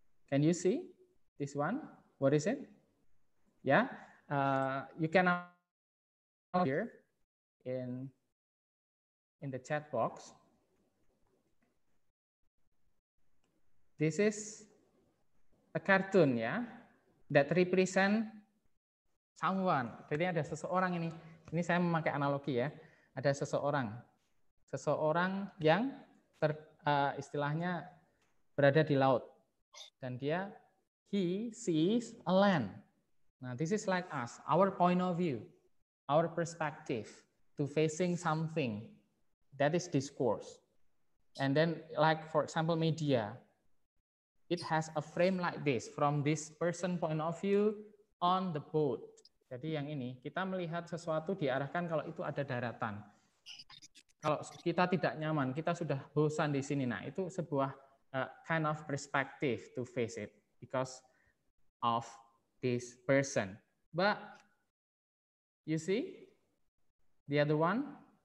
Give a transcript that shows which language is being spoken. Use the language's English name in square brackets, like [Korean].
[English] Can you see this one? What is it? Yeah, you can here in the chat box. This is a cartoon, yeah, that represent someone. [Indonesian] Jadi ada seseorang ini. Ini saya memakai analogi ya. Ada seseorang, seseorang yang istilahnya berada di laut dan dia [English] he sees a land. Now this is like us, our point of view, our perspective to facing something, that is discourse. And then like for example media, it has a frame like this from this person point of view on the boat. [Indonesian] Jadi yang ini kita melihat sesuatu diarahkan kalau itu ada daratan. Kalau kita tidak nyaman, kita sudah bosan di sini. Nah, itu sebuah [English] kind of perspective to face it because of this person. But you see the other one?